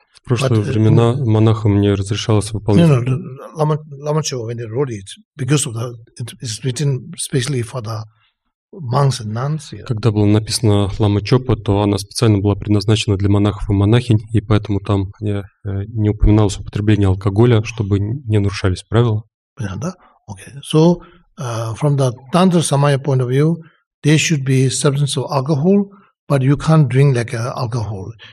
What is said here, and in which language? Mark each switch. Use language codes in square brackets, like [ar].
[ru] В прошлые времена монахам не разрешалось выполнять. [en] No, Lamachewa, when they wrote it, because of the, it is written specially for the monks and nuns. Yeah. [ru] Когда было написано Лама Чопа, то она специально была предназначена для монахов и монахинь, и поэтому там не упоминалось употребление алкоголя, чтобы не нарушались правила. Понятно, да? [en] Okay. So, from the Tantra Samaya point of view, there should be substance of alcohol, but you can't drink like alcohol.